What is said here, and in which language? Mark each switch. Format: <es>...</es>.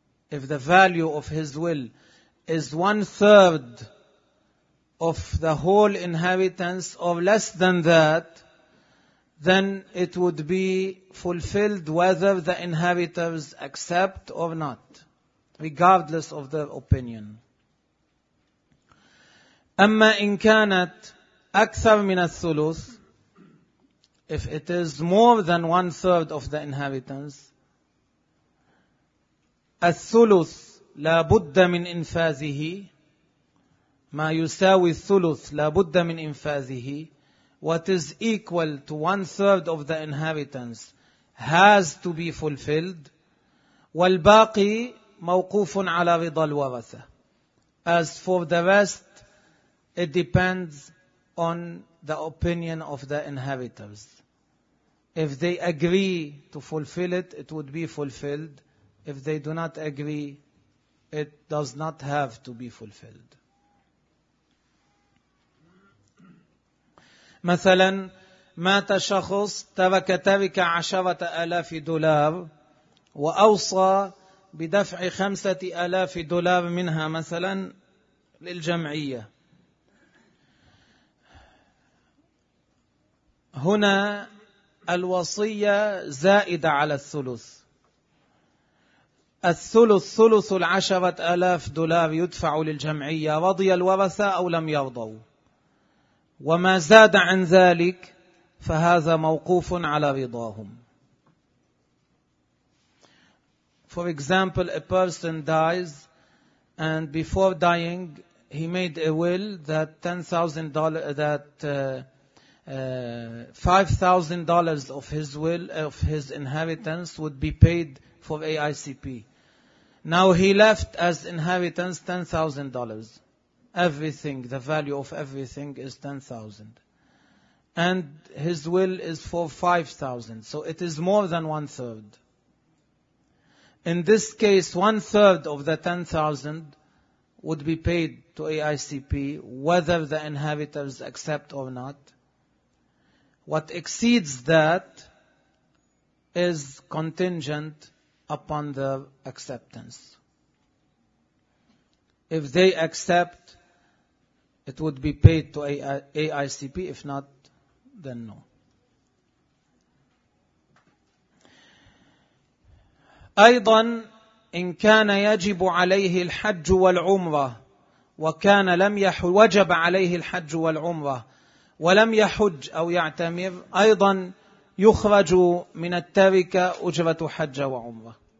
<en>If the value of his will is 1/3 of the whole inheritance or less than that, then it would be fulfilled whether the inheritors accept or not, regardless of their opinion.</en> <ar>أما إن كانت أكثر من الثلث,</ar> <en>if it is more than 1/3 of the inheritance,</en> <ar>الثلث لابد من إنفاذه, ما يساوي الثلث لابد من إنفاذه,</ar> <en>what is equal to 1/3 of the inheritance has to be fulfilled,</en> <ar>والباقي موقوف على رضا الورثة.</ar> <en>As for the rest, it depends on the opinion of the inheritors. If they agree to fulfill it, it would be fulfilled. If they do not agree, it does not have to be fulfilled.</en> <ar>مثلا مات شخص ترك تركة 10,000 دولار وأوصى بدفع 5,000 دولار منها مثلا للجمعية. هنا الوصية زائدة على الثلث. الثلث ثلث 10,000 دولار يدفع للجمعية, رضي الورثة أو لم يرضوا, وما زاد عن ذلك فهذا موقوف على رضاهم.</ar> <en>For example, a person dies and before dying he made a will that $5,000 of his will, of his inheritance, would be paid for AICP. Now he left as inheritance $10,000. Everything, the value of everything is 10,000. And his will is for 5,000. So it is more than 1/3. In this case, 1/3 of the 10,000 would be paid to AICP, whether the inheritors accept or not. What exceeds that is contingent upon their acceptance. If they accept, it would be paid to AICP, if not, then no.</en> <ar>أيضا إن كان يجب عليه الحج والعمرة وكان لم يحج, وجب عليه الحج والعمرة ولم يحج أو يعتمر, أيضا يخرج من التركة أجرة حج وعمرة.</ar>